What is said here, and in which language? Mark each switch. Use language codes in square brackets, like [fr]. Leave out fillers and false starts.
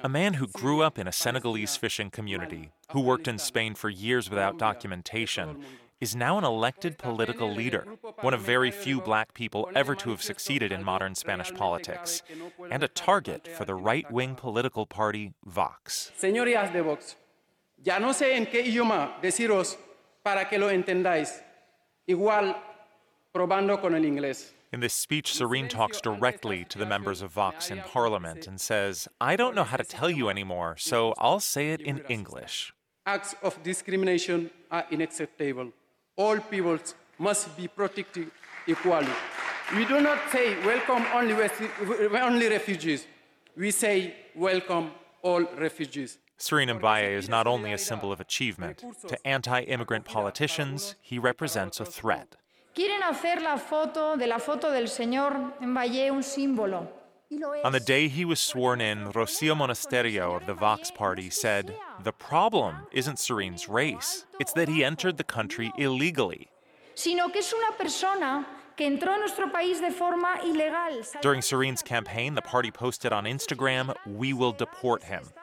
[en] A man who grew up in a Senegalese fishing community, who worked in Spain for years without documentation, is now an elected political leader, one of very few black people ever to have succeeded in modern Spanish politics, and a target for the right-wing political party, Vox. [es] Señorías de Vox, ya no sé en qué idioma deciros para que lo entendáis, igual probando con el inglés. [en] In this speech, Shireen talks directly to the members of Vox in Parliament and says, I don't know how to tell you anymore, so I'll say it in English. Acts of discrimination are unacceptable. All peoples must be protected equally. We do not say welcome only refugees. We say welcome all refugees. Surinam Baye is not only a symbol of achievement. To anti-immigrant politicians, he represents a threat. [es] ¿Quieren hacer la foto de la foto del señor en Baye un símbolo? [en] On the day he was sworn in, Rocío Monasterio of the Vox Party said, the problem isn't Surin's race, it's that he entered the country illegally. During Surin's campaign, the party posted on Instagram, we will deport him.